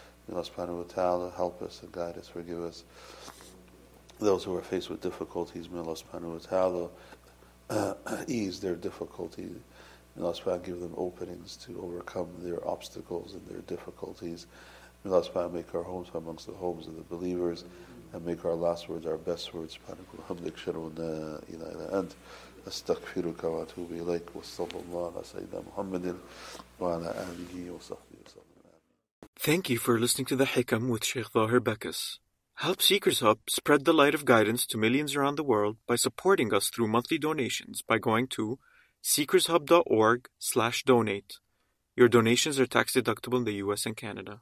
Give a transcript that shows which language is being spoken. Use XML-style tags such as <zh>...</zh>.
<en>May Allah subhanahu wa ta'ala help us and guide us, forgive us. Those who are faced with difficulties, may Allah subhanahu wa ta'ala ease their difficulties. May Allah subhanahu wa ta'ala give them openings to overcome their obstacles and their difficulties. May Allah subhanahu wa ta'ala make our homes amongst the homes of the believers and make our last words our best words.</en> <ar>Subhanahu wa hamdik shiruna ila ila ant. أستغفرك وأتوب إليك وصلى الله على سيدنا محمد وعلى آله وصحبه وسلم.</ar> <en>Thank you for listening to The Hikam with Shaykh Zahir Bacchus. Help Seekers Hub spread the light of guidance to millions around the world by supporting us through monthly donations by going to seekershub.org/donate. Your donations are tax deductible in the US and Canada.</en>